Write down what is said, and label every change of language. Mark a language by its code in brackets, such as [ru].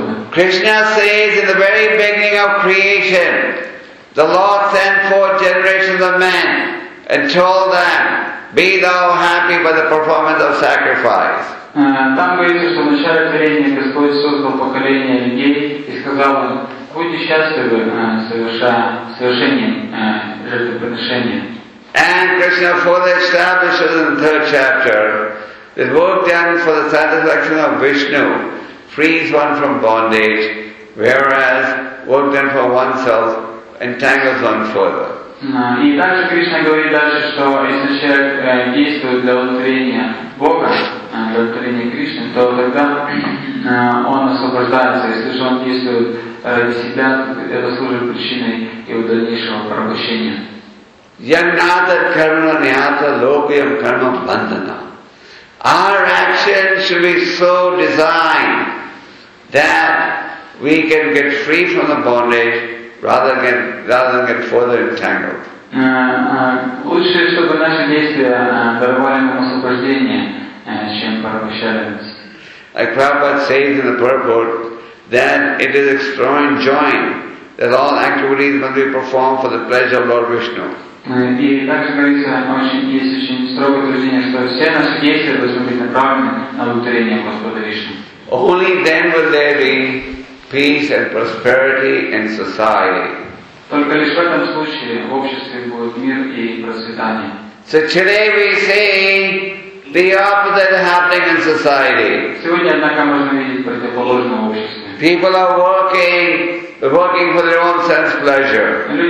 [en] Krishna says in the very beginning of creation, the Lord sent forth generations of men and told them, be thou happy by the performance of sacrifice. [ru] Там говорится, что в начале творения Господь создал поколение людей и сказал им, будьте счастливы, совершением жертвоприношения. [en] And Krishna further establishes in the third chapter that work done for the satisfaction of Vishnu frees one from bondage, whereas work done for oneself entangles one further. [ru] И также Кришна говорит дальше, что если человек действует для удовлетворения Бога, для удовлетворения Кришны, то тогда он освобождается. Если же он действует ради себя, это служит причиной его дальнейшего порабощения. [sa] Yannata karma nyata lokyam karma bandhana. [en] Our action should be so designed that we can get free from the bondage rather than get further entangled. [ru] Лучше, чтобы наши действия даровали нам освобождение, чем порабощали. [en] Like Prabhupada says in the purport, that it is extraordinary joint that all activities must be performed for the pleasure of Lord Vishnu. [ru] И также говорится, есть очень строгое утверждение, что все наши действия должны быть направлены на удовлетворение Господа Вишну. [en] Only then will there be peace and prosperity in society. [ru] Только лишь в этом случае в обществе будет мир и процветание. [en] So today we see the opposite happening in society. [ru] Сегодня, однако, можно видеть противоположное в обществе. [en] People are working for their own sense pleasure.